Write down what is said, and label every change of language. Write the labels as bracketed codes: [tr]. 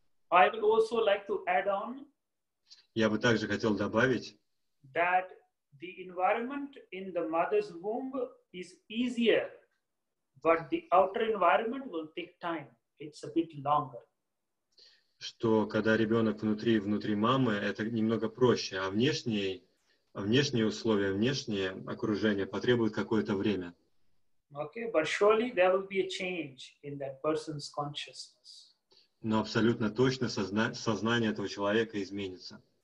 [en] I would also like to add on. [ru] Я бы также хотел добавить, [en] that the environment in the mother's womb is easier, but the outer environment will take time. It's a bit longer. [ru] Что когда ребенок внутри мамы, это немного проще, а внешние условия, внешнее окружение потребует какое-то время. [en] Okay, but surely there will be a change in that person's consciousness. [ru] Но абсолютно точно сознание этого человека изменится.